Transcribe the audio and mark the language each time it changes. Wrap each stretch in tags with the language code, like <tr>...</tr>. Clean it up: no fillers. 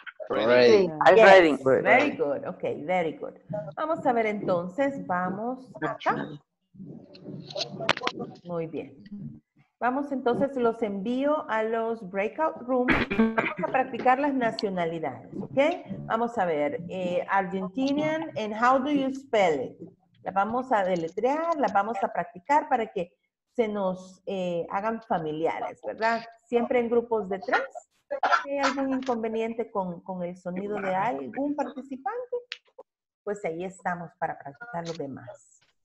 <en>Ready. Yes. Ready. Very good. Okay, very good.</en> <es>Vamos a ver entonces, vamos acá. Muy bien. Vamos entonces, los envío a los breakout rooms. Vamos a practicar las nacionalidades, ¿ok? Vamos a ver,</es> <en>Argentinian, and how do you spell it?</en> <es>La vamos a deletrear, la vamos a practicar para que se nos hagan familiares, ¿verdad? Siempre en grupos de tres. Okay, algún inconveniente con el sonido de algún participante, pues ahí estamos para practicar lo demás.</es>